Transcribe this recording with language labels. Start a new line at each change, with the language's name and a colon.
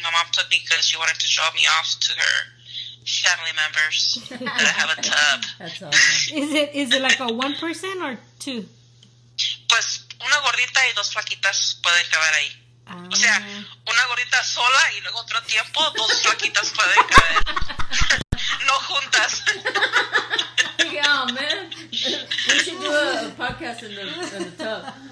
English: My mom took me because she wanted to show me off to her family members that I have a tub. That's awesome. Is it like a one person or two?
Spanish: Pues una gordita y dos flaquitas pueden caber ahí. O sea, una gordita sola y luego otro tiempo dos flaquitas pueden caber. No juntas.
English: Yeah, man. We should do a podcast in the tub.